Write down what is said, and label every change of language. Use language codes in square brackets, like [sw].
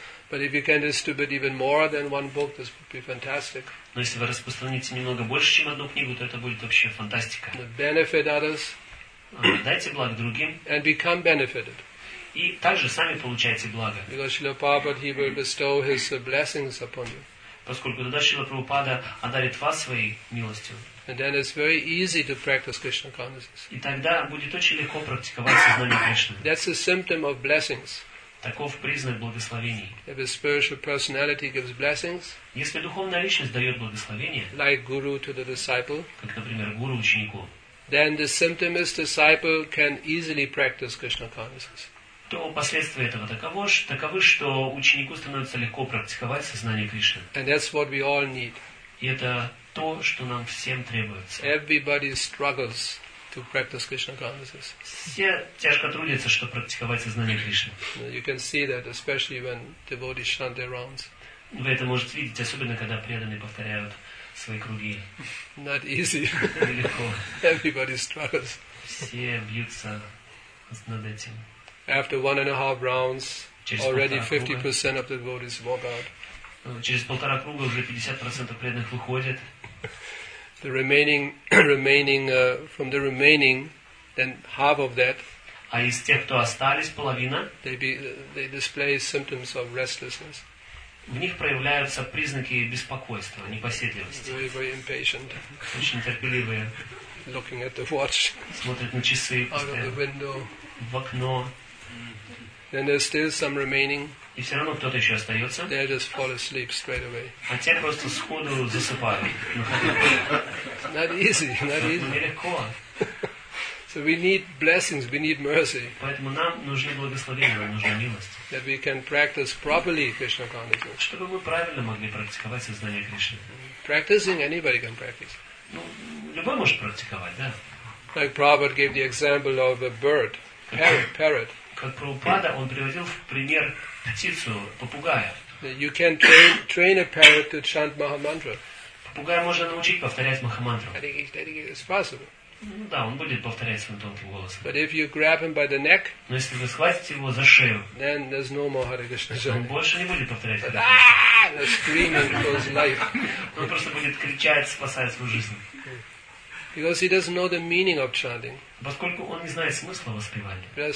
[en] But if you can distribute even more than one book, this would be fantastic. [ru] Но если вы распространите немного больше, чем одну книгу, то это будет вообще фантастика. [en] Benefit others. [ru] Дайте благ другим. [en] And become benefited. [ru] И также сами получаете благо. [en] Because Srila Prabhupada, he will bestow his blessings upon you. [ru] Поскольку тогда Шрила Прабхупада одарит вас своей милостью. [en] And then it's very easy to practice Krishna consciousness. [ru] И тогда будет очень легко практиковать сознание Кришны. [en] That's a symptom of blessings. [ru] Таков признак благословений. [en] If a spiritual personality gives blessings, [ru] если духовная личность дает благословение, [en] like guru to the disciple, [ru] как, например, гуру ученику, [en] then the symptom is disciple can easily practice Krishna consciousness. [ru] То последствия этого таковы, что ученику становится легко практиковать сознание Кришны. [en] And that's what we all need. [ru] И это то, что нам всем требуется. [en] Everybody struggles to practice Krishna consciousness. [ru] Все тяжко трудятся, чтобы практиковать сознание Кришны. [en] You can see that, especially when devotees chant their rounds. [ru] Вы это можете видеть, особенно когда преданные повторяют свои круги. [en] Not easy. [ru] Легко. [en] Everybody struggles. [ru] Все бьются над этим. [en] After 1.5 rounds, already 50% of the devotees walk out. [ru] Через полтора круга уже 50% преданных выходят. [en] The remaining from the remaining, then half of that. [ru] А из тех, кто остались, половина. [en] They display symptoms of restlessness. [ru] В них проявляются признаки беспокойства, непоседливости. [en] Very, very impatient. [ru] Очень терпеливые. [en] Looking at the watch. [ru] Смотрят на часы. [en] Out of the window. [ru] В окно. [en] Then there's still some remaining. [ru] И все равно кто-то еще остается. [en] They just fall asleep straight away. [ru] А те просто сходу засыпают. [en] Not easy, not easy. [ru] Нелегко. [en] So we need blessings, we need mercy. [ru] Поэтому нам нужны благословения, нам нужна милость. [en] That we can practice properly Krishna consciousness. [ru] Чтобы мы правильно могли практиковать сознание Кришны. [en] Practicing, anybody can practice. [ru] Ну, любой может практиковать, да. [en] Like Prabhupada gave the example of a bird, parrot. [ru] Как Прабхупада, он приводил в пример птицу, попугая. [en] You can train a parrot to chant Mahamantra. [ru] Попугая можно научить повторять Махамантру. [en] It's possible. [ru] Ну, да, он будет повторять своим тонким голосом. [en] But if you grab him by the neck, [ru] но если вы схватите его за шею, [en] then there's no more Hare Krishna. [ru] Он больше не будет повторять Hare [en] Krishna. Screaming for his life. [ru] Он просто будет кричать, спасая свою жизнь. [en] Because he doesn't know the meaning of chanting. [ru] Поскольку он не знает смысла воспевания.